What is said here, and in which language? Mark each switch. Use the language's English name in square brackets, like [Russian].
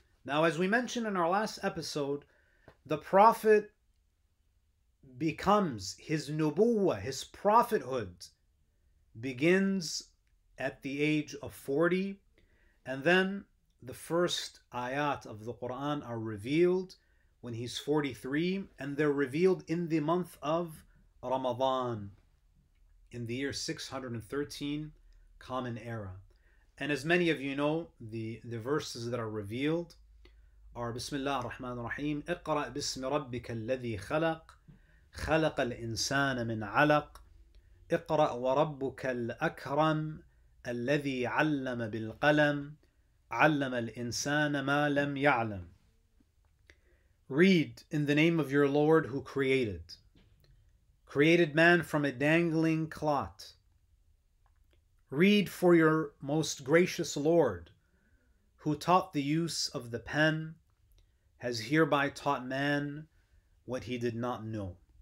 [English] Now, as we mentioned in our last episode, the Prophet becomes, his nubuwwah, his prophethood, begins at the age of 40. And then the first ayat of the Quran are revealed when he's 43, and they're revealed in the month of Ramadan, in the year 613, Common Era. And as many of you know, the verses that are revealed are [Arabic] Bismillah ar-Rahman ar-Rahim, اقرأ بسم ربك الذي خلق خلق الإنسان من علق اقرأ وربك الأكرم الذي علم بالقلم علم الإنسان ما لم يعلم. [English] Read in the name of your Lord who created man from a dangling clot. Read for your most gracious Lord who taught the use of the pen, has hereby taught man what he did not know.